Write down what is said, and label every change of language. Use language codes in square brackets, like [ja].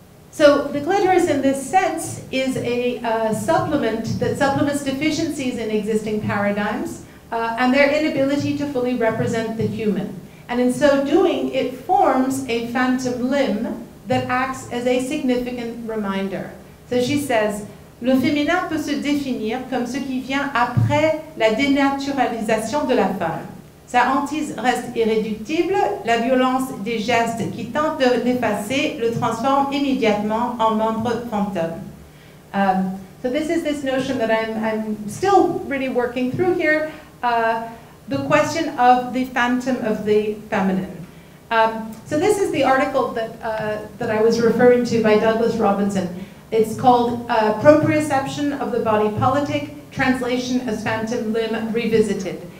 [en] So the clitoris in this sense is a supplement that supplements deficiencies in existing paradigms and their inability to fully represent the human. And in so doing, it forms a phantom limb that acts as a significant reminder. So she says, [fr] Le féminin peut se définir comme ce qui vient après la dénaturalisation de la femme. Sa hantise reste irréductible, la violence des gestes qui tentent de l'effacer le transforme immédiatement en membre fantôme. [en] So this is this notion that I'm still really working through here, the question of the phantom of the feminine. So this is the article that I was referring to by Douglas Robinson. It's called Proprioception of the Body Politic, Translation as Phantom Limb Revisited.